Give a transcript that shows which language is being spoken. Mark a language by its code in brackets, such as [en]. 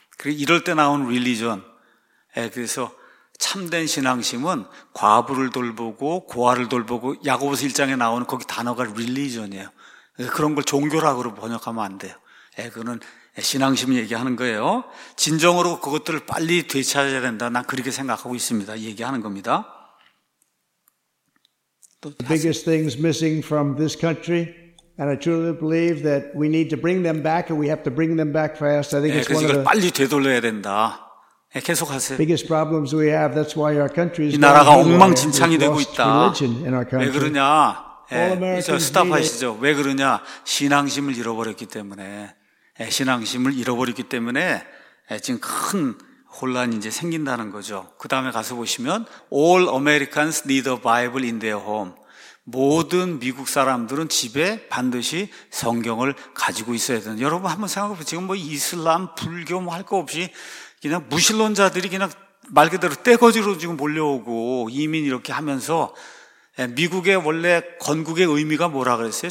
[ko] 그리고 이럴 때 나온 religion. 예, 그래서 참된 신앙심은 과부를 돌보고 고아를 돌보고 야고보서 1장에 나오는 거기 단어가 religion이에요. 그런 걸 종교라고 번역하면 안 돼요. 예, 그거는 신앙심 얘기하는 거예요. 진정으로 그것들을 빨리 되찾아야 된다. 난 그렇게 생각하고 있습니다. 얘기하는 겁니다. [en] The biggest things missing from this country. And I truly believe that we need to bring them back and we have to bring them back fast. I think it's one of the [ko] 빨리 되돌려야 된다. 예, 계속하세요. [en] Biggest problems we have, that's why our country is [ko] 이 나라가 엉망진창이 되고 있다. 왜 그러냐? 예, 스탑하시죠. 왜 그러냐? 신앙심을 잃어버렸기 때문에. 예, 신앙심을 잃어버렸기 때문에 지금 큰 혼란이 이제 생긴다는 거죠. 그 다음에 가서 보시면 [en] All Americans need a Bible in their home. [ko] 모든 미국 사람들은 집에 반드시 성경을 가지고 있어야 되는. 여러분 한번 생각해 보세요. 지금 뭐 이슬람, 불교 뭐 할 거 없이 그냥 무신론자들이 그냥 말 그대로 떼거지로 지금 몰려오고 이민 이렇게 하면서 미국의 원래 건국의 의미가 뭐라 그랬어요?